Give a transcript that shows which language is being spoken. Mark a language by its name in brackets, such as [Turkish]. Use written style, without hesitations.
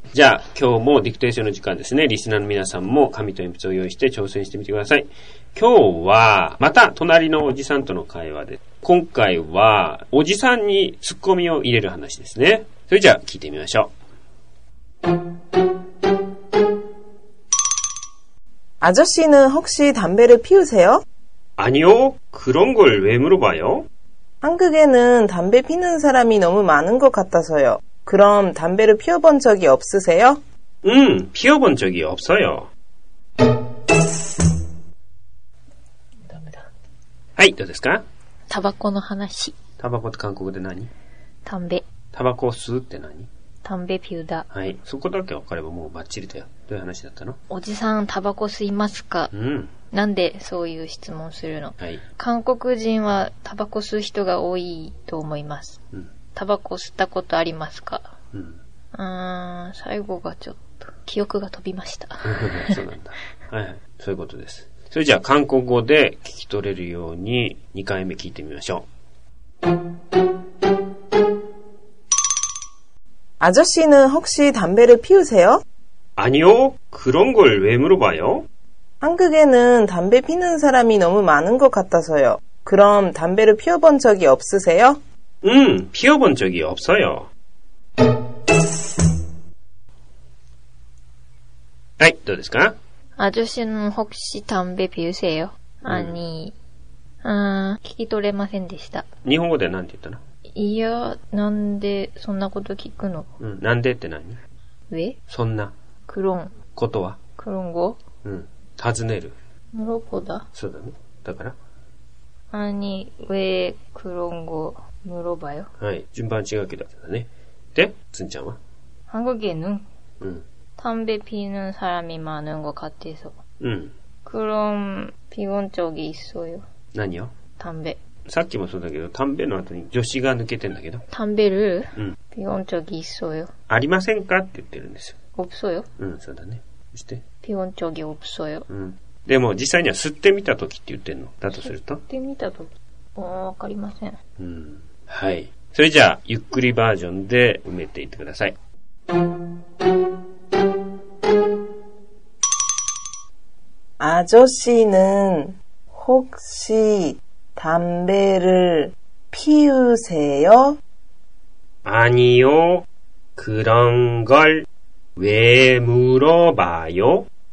[Japanese] じゃあ今日もディクテーションの時間ですね。リスナーの皆さんも紙と鉛筆を用意して挑戦してみてください。今日はまた隣のおじさんとの会話で、今回はおじさんにツッコミを入れる話ですね。それじゃあ聞いてみましょう。 [Korean] 아저씨는혹시담배를피우세요？ 아니요。 그런걸왜물어봐요？ 한국에는담배피는사람이너무많은것같아서요。 그럼담배를피워본적이없으세요？ 응，피워본적이없어요。 [Japanese] ダメだ。はい、どうですか？タバコの話。タバコって韓国で何？ダンベ。タバコ吸うって何？ダンベピューダ。はい、そこだけ分かればもうバッチリだよ。どういう話だったの？おじさんタバコ吸いますか？うん。なんでそういう質問するの？はい。韓国人はタバコ吸う人が多いと思います。うん。タバコ吸ったことありますか？うん、最後がちょっと記憶が飛びました。そうなんだ。はいはい、そういうことです。それじゃあ韓国語で聞き取れるように2回目聞いてみましょう。 [Korean] 아저씨는혹시담배를피우세요？ 아니요。 그런걸왜물어봐요？ 한국에는담배피는사람이너무많은것같아서요。 그럼담배를피워본적이없으세요？ 응，피워본적이없어요。 [Japanese] はい、どうですか？ [Korean] 아저씨는혹시담배피우세요？ 아니、 [Japanese] 聞き取れませんでした。日本語で何て言ったの？いや、なんでそんなこと聞くの？うん、なんでって何？ [Korean] 왜？ [Japanese] そんな。 [Korean] 그런。 [Japanese] ことは？ [Korean] 그런거？ [Japanese] うん、尋ねる。 [Korean] 물어보다。 [Japanese] そうだね。だから？ [Korean] 아니、왜그런거？ 물어봐요。 [Japanese] はい、順番違うけどね。で、つんちゃんは？ [Korean] 한국에는、 [Japanese] うん、 [Korean] 담배피는사람이많은것같아서。 [Japanese] うん。 [Korean] 그럼피운적이있어요？ [Japanese] 何を？ [Korean] 담배。 [Japanese] さっきもそうだけど、담배の後に助詞が抜けてんだけど。 [Korean] 담배를？ [Japanese] うん。 [Korean] 피운적이있어요？ [Japanese] ありませんかって言ってるんですよ。 [Korean] 없어요？ [Japanese] うん、そうだね。そして？ [Korean] 피운적이없어요。 [Japanese] うん。でも実際には吸ってみた時って言ってんの。だとすると？吸ってみた時。わかりません。うん。はい。それじゃあ、ゆっくりバージョンで埋めていってください。 [Korean] 아저씨는혹시담배를피우세요？ 아니요。 그런걸왜물어봐요？